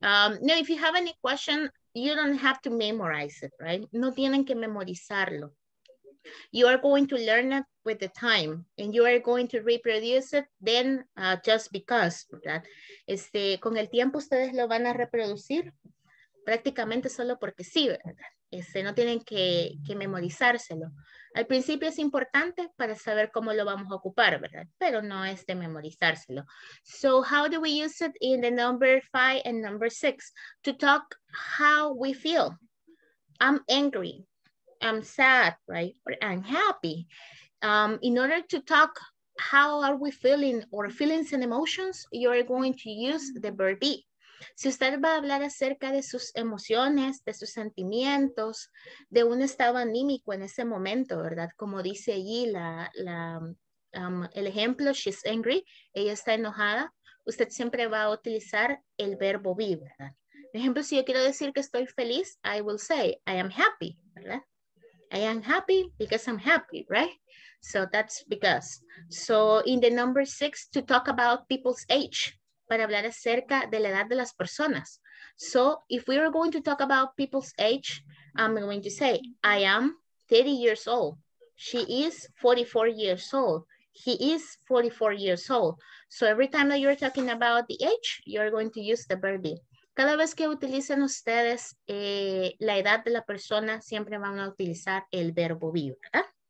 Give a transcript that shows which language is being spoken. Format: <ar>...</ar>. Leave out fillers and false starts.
<en>Now, if you have any question, you don't have to memorize it, right?</en> <es>No tienen que memorizarlo.</es> <en>You are going to learn it with the time and you are going to reproduce it then just because, ¿verdad?</en> <es>Este, con el tiempo ustedes lo van a reproducir prácticamente solo porque sí, ¿verdad? Este, no tienen que memorizárselo. Al principio es importante para saber cómo lo vamos a ocupar, ¿verdad? Pero no es de memorizárselo.</es> <en>So how do we use it in the number 5 and number 6? To talk how we feel. I'm angry. I'm sad, right? Or unhappy. In order to talk how are we feeling or feelings and emotions, you're going to use the verb be.</en> <es>Si usted va a hablar acerca de sus emociones, de sus sentimientos, de un estado anímico en ese momento, ¿verdad? Como dice allí el ejemplo,</es> <en>she's angry,</en> <es>ella está enojada, usted siempre va a utilizar el verbo be, ¿verdad? Por ejemplo, si yo quiero decir que estoy feliz,</es> <en>I will say I am happy,</en> <es>¿verdad?</es> <en>I am happy because I'm happy, right? So that's because. So in the number 6, to talk about people's age,</en> <es>para hablar acerca de la edad de las personas.</es> <en>So if we are going to talk about people's age, I'm going to say, I am 30 years old. She is 44 years old. He is 44 years old. So every time that you're talking about the age, you're going to use the verb be.</en> <es>Cada vez que utilicen ustedes la edad de la persona, siempre van a utilizar el verbo be, ¿verdad?</es>